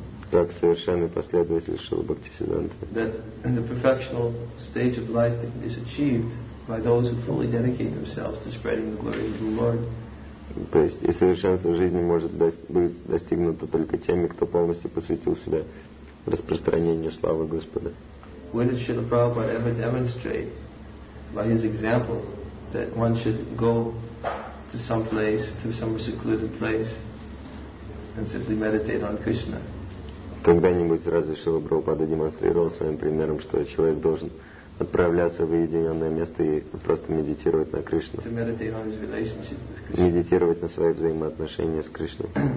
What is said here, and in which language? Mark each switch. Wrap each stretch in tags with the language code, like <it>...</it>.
<ru>Как совершенный последователь Шрилы Бхактисиддханты.</ru> <en>The perfectional stage of life is achieved by those who fully dedicate themselves to spreading the glory of the Lord.</en> <ru>То есть и совершенство жизни может быть достигнуто только теми, кто полностью посвятил себя распространению славы Господа.</ru> <en>When did Srila Prabhupada ever demonstrate by his example that one should go to some place, to some secluded place, and simply meditate on Krishna?</en> <ru>Когда-нибудь разве Шрила Прабхупада демонстрировал своим примером, что человек должен отправляться в уединенное место и просто медитировать на Кришну? Медитировать на свои взаимоотношения с Кришной.</ru>